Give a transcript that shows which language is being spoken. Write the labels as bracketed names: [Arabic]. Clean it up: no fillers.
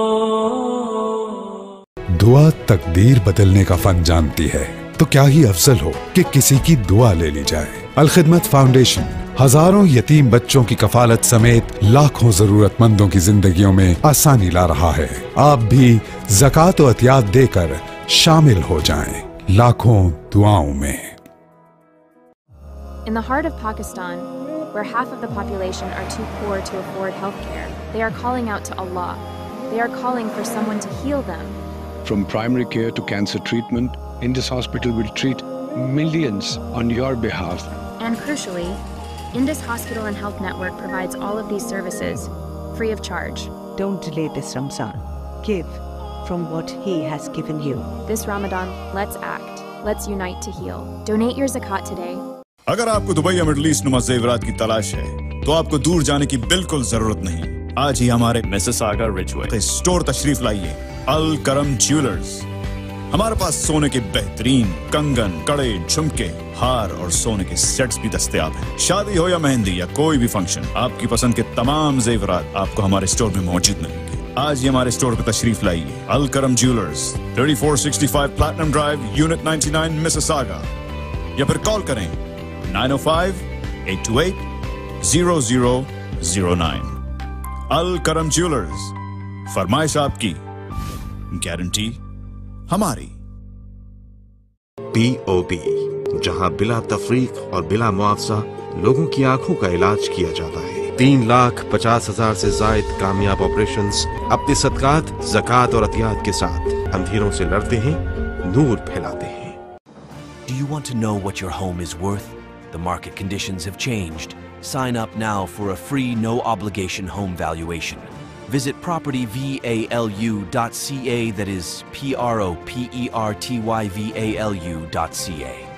[Urdu] دعا تقدیر بدلنے کا فن جانتی ہے، تو کیا ہی افضل ہو کہ کسی کی دعا لے لی جائے۔ الخدمت فاؤنڈیشن ہزاروں یتیم بچوں کی کفالت سمیت لاکھوں ضرورت مندوں کی زندگیوں میں آسانی لا رہا ہے۔ آپ بھی زکات و عطیات دے کر شامل ہو جائیں لاکھوں دعاؤں میں۔ [English] In the heart of Pakistan, where half of the population are too poor to afford healthcare, they are calling out to Allah. They are calling for someone to heal them. From primary care to cancer treatment, Indus Hospital will treat millions on your behalf. And crucially, Indus Hospital and Health Network provides all of these services free of charge. Don't delay this Ramzan. Give from what he has given you. This Ramadan, let's act. Let's unite to heal. Donate your zakat today. [Urdu] اگر آپ کو Dubai یا middle asset نما زیورات کی تلاش ہے تو آپ کو دور جانے کی بالکل ضرورت نہیں۔ آج ہی ہمارے مسساگا رچوے سٹور تشریف لائیے۔ الکرم جیولرز، ہمارے پاس سونے کے بہترین کنگن، کڑے، جھمکے، ہار اور سونے کے سیٹس بھی دستیاب ہیں۔ شادی ہو یا مہندی یا کوئی بھی فنکشن، آپ کی پسند کے تمام زیورات آپ کو ہمارے سٹور میں موجود ملیں گے۔ آج ہی ہمارے سٹور پہ تشریف لائیے۔ Al-Karam jewellers, 3465 platinum drive, unit 99، مسساگا، یا پھر کال کریں 905-828-0009۔ الکرم جیولرز، فرمائش آپ کی، گارنٹی ہماری۔ پی او بی، جہاں بلا تفریق اور بلا معاوضہ لوگوں کی آنکھوں کا علاج کیا جاتا ہے۔ 350,000 سے زائد کامیاب آپریشنز اپنے صدقات، زکات اور عطیات کے ساتھ اندھیروں سے لڑتے ہیں، نور پھیلاتے ہیں۔ [English] Do you want to know what your home is worth? The market conditions have changed. Sign up now for a free, no obligation home valuation. Visit propertyvalu.ca, that is propertyvalu.ca.